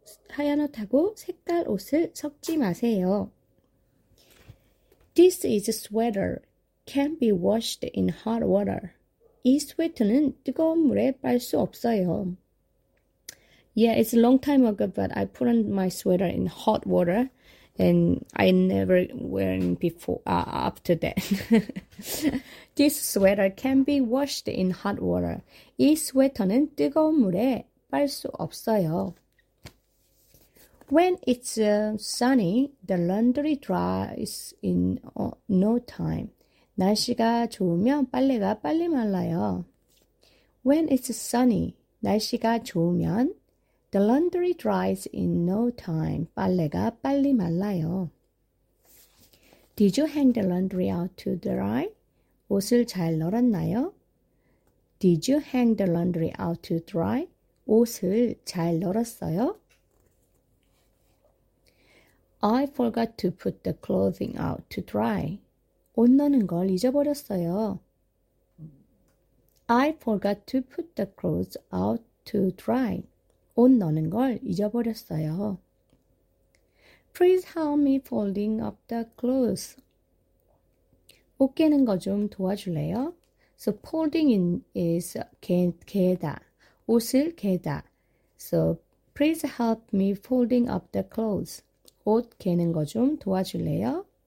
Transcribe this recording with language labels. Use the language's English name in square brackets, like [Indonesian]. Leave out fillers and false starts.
[Korean] 하얀 옷하고 색깔 옷을 섞지 마세요. [English] This is a sweater. Can be washed in hot water. [Korean] 이 스웨터는 뜨거운 물에 빨 수 없어요. [English] Yeah, it's a long time ago, but I put on my sweater in hot water, and I never wearing before after that. This sweater can be washed in hot water. [Korean] 이 스웨터는 뜨거운 물에 빨 수 없어요. [English] When it's sunny, the laundry dries in no time. [Korean] 날씨가 좋으면 빨래가 빨리 말라요. [English] When it's sunny, [Korean] 날씨가 좋으면 [English] the laundry dries in no time. [Korean] 빨래가 빨리 말라요. [English] Did you hang the laundry out to dry? [Korean] 옷을 잘 널었나요? [English] Did you hang the laundry out to dry? [Korean] 옷을 잘 널었어요? [English] I forgot to put the clothing out to dry. [Korean] 옷 넣는 걸 잊어버렸어요. [English] I forgot to put the clothes out to dry. [Korean] 옷 넣는 걸 잊어버렸어요. [English] Please help me folding up the clothes. [Korean] 옷 깨는 거 좀 도와줄래요? [English] So folding in is 개다. [Korean] 옷을 개다. [English] So please help me folding up the clothes. [Korean] 옷 개는 거 좀 도와줄래요?